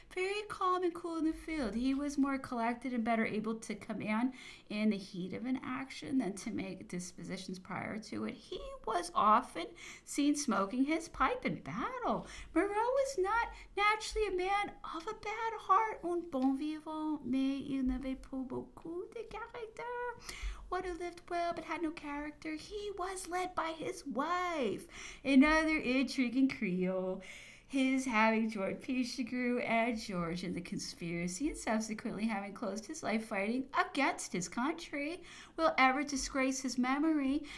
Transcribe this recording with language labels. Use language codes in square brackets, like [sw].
[en] Very calm and cool in the field, he was more collected and better able to command in the heat of an action than to make dispositions prior to it. He was often seen smoking his pipe in battle. Moreau was not naturally a man of a bad heart. [fr] Un bon vivant, mais il n'avait pas beaucoup de caractère. [en] One who lived well but had no character. He was led by his wife, another intriguing Creole, his having joined Pichegru and George in the conspiracy and subsequently having closed his life fighting against his country, will ever disgrace his memory.